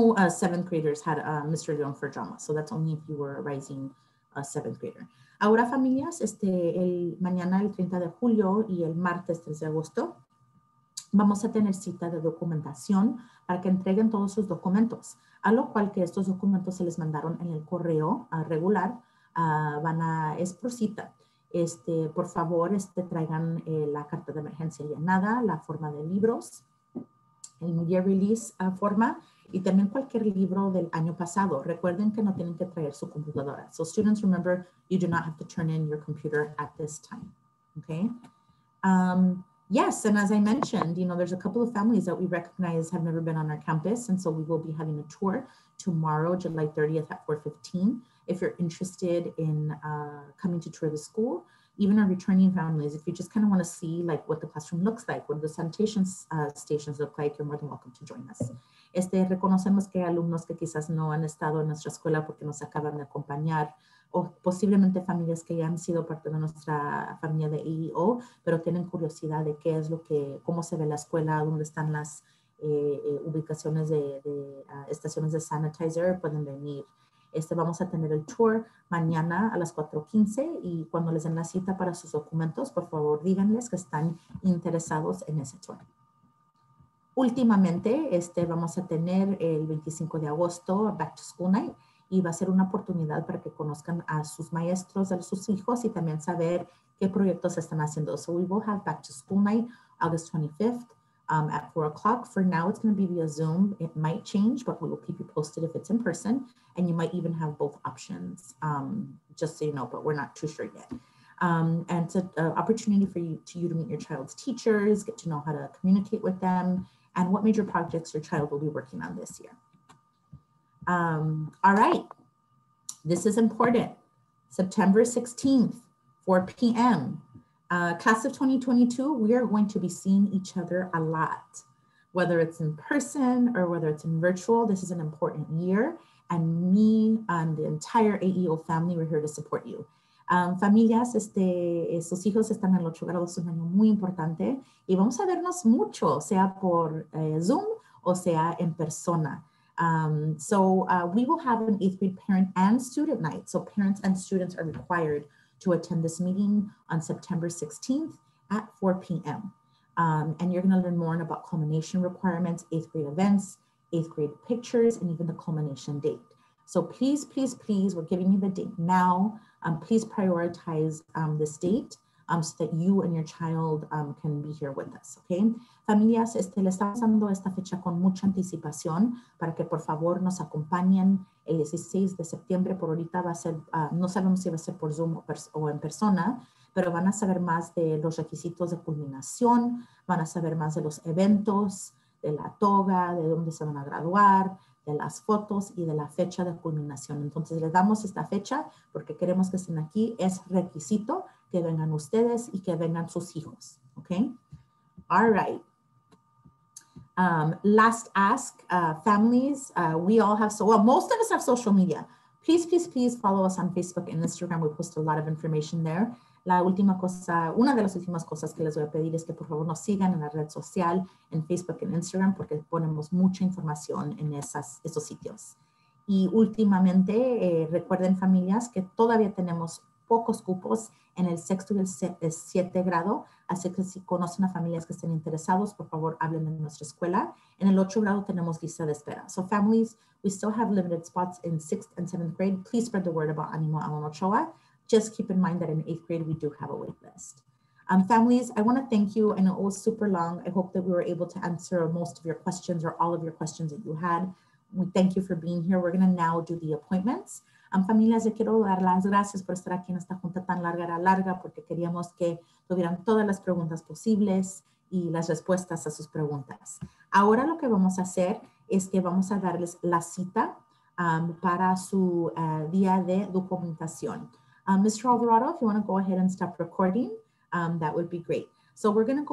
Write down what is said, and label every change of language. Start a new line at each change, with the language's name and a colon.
English: Seventh graders had Mr. León for drama. So that's only if you were a rising seventh grader.
Spanish: Ahora, familias, el mañana el 30 de julio y el martes 3 de agosto, vamos a tener cita de documentación para que entreguen todos sus documentos, a lo cual que estos documentos se les mandaron en el correo regular, es por cita. Por favor, traigan la carta de emergencia llenada, la forma de libros, el media release forma y también cualquier libro del año pasado. Recuerden que no tienen que traer su computadora.
English: So students, remember, you do not have to turn in your computer at this time, okay? Yes, and as I mentioned, you know, there's a couple of families that we recognize have never been on our campus, and so we will be having a tour tomorrow, July 30th at 4:15. If you're interested in coming to tour the school, even our returning families, if you just kind of want to see like what the classroom looks like, what the sanitation stations look like, you're more than welcome to join us.
Spanish: Reconocemos que hay alumnos que quizás no han estado en nuestra escuela porque nos acaban de acompañar, o posiblemente familias que ya han sido parte de nuestra familia de EEO, pero tienen curiosidad de qué es lo que, cómo se ve la escuela, dónde están las ubicaciones de estaciones de sanitizer, pueden venir. Vamos a tener el tour mañana a las 4:15 y cuando les den la cita para sus documentos, por favor, díganles que están interesados en ese tour. Últimamente, vamos a tener el 25 de agosto Back to School Night y va a ser una oportunidad para que conozcan a sus maestros, a sus hijos y también saber qué proyectos están haciendo.
English: So we will have Back to School Night August 25th at 4:00. For now, it's going to be via Zoom. It might change, but we will keep you posted if it's in person. And you might even have both options, just so you know, but we're not too sure yet. And it's an opportunity for you to meet your child's teachers, get to know how to communicate with them, and what major projects your child will be working on this year. All right, this is important. September 16th, 4 p.m. Class of 2022, we are going to be seeing each other a lot. Whether it's in person or whether it's in virtual, this is an important year. And me and the entire AEO family, we're here to support you.
Spanish: Familias, sus hijos están en el 8 grado, es un año muy importante. Y vamos a vernos mucho, sea por Zoom o sea en persona.
English: We will have an 8th grade parent and student night. So parents and students are required to attend this meeting on September 16th at 4 p.m. And you're gonna learn more about culmination requirements, 8th grade events, 8th grade pictures, and even the culmination date. So please, please, please, we're giving you the date now. Please prioritize this date so that you and your child can be here with us, okay?
Spanish: Familias, le estamos dando esta fecha con mucha anticipación para que por favor nos acompañen el 16 de septiembre. Por ahorita va a ser, no sabemos si va a ser por Zoom o en persona, pero van a saber más de los requisitos de culminación, van a saber más de los eventos, de la toga, de dónde se van a graduar, de las fotos y de la fecha de culminación. Entonces les damos esta fecha porque queremos que estén aquí. Es requisito que vengan ustedes y que vengan sus hijos, okay?
English: All right. Last ask, families, we all have, most of us have social media. Please, please, please follow us on Facebook and Instagram. We post a lot of information there.
Spanish: Una de las últimas cosas que les voy a pedir es que por favor nos sigan en la red social, en Facebook, en Instagram, porque ponemos mucha información en esos sitios. Y últimamente, recuerden familias que todavía tenemos pocos cupos en el 6 y el 7 grado, así que si conocen a familias que estén interesados, por favor, hablen de nuestra escuela. En el 8 grado tenemos lista de espera.
English: So families, we still have limited spots in 6th and 7th grade. Please spread the word about Animo Alan Ochoa. Just keep in mind that in 8th grade, we do have a wait list. Families, I wanna thank you. I know it was super long. I hope that we were able to answer most of your questions or all of your questions that you had. We thank you for being here. We're gonna now do the appointments.
Spanish: Familias, yo quiero dar las gracias por estar aquí en esta junta tan larga, era larga, porque queríamos que tuvieran todas las preguntas posibles y las respuestas a sus preguntas. Ahora lo que vamos a hacer es que vamos a darles la cita para su día de documentación.
English: Mr. Alvarado, if you want to go ahead and stop recording, that would be great. So we're going to go